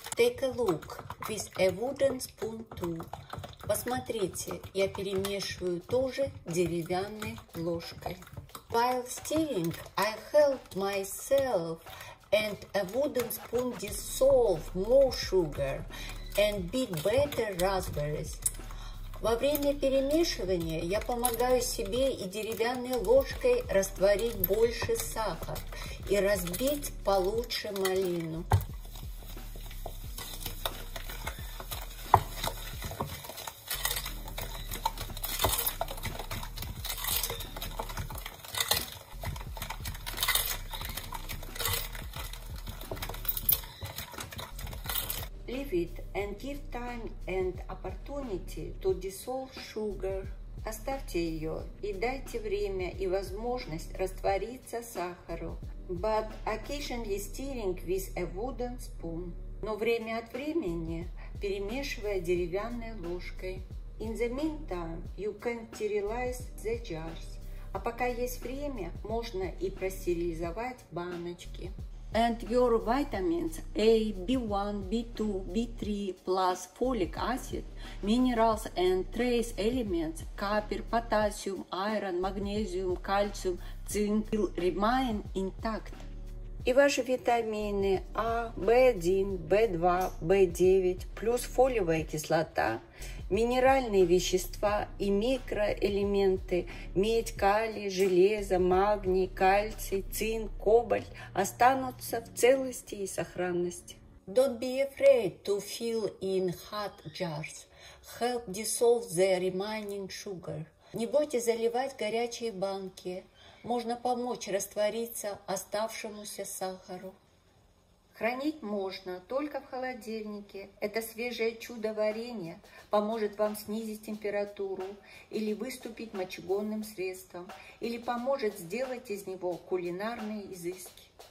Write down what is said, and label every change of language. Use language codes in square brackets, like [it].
[en] Take a look. With a wooden spoon too. [ru] Посмотрите, я перемешиваю тоже деревянной ложкой. [en] While stirring, I help myself and a wooden spoon dissolve more sugar and beat better raspberries. [ru] Во время перемешивания я помогаю себе и деревянной ложкой растворить больше сахар и разбить получше малину. [en] Leave it and give time and opportunity to dissolve sugar. [ru] Оставьте ее и дайте время и возможность раствориться сахару. [en] But occasionally stirring with a wooden spoon. [ru] Но время от времени перемешивая деревянной ложкой. [en] In the meantime, you can sterilize the jars. [ru] А пока есть время, можно и простерилизовать баночки. [en] And your vitamins A, B1, B2, B3, plus folic acid, minerals and trace elements, copper, potassium, iron, magnesium, calcium, zinc, will remain intact. [ru] И ваши витамины А, В1, В2, В9, плюс фолиевая кислота, минеральные вещества и микроэлементы, медь, калий, железо, магний, кальций, цинк, кобальт останутся в целости и сохранности. [en] Don't be afraid to fill in hot jars. Help dissolve the remaining sugar. [ru] Не бойтесь заливать горячие банки. Можно помочь раствориться оставшемуся сахару. Хранить можно только в холодильнике. Это свежее чудо варенья поможет вам снизить температуру или выступить мочегонным средством, или поможет сделать из него кулинарные изыски.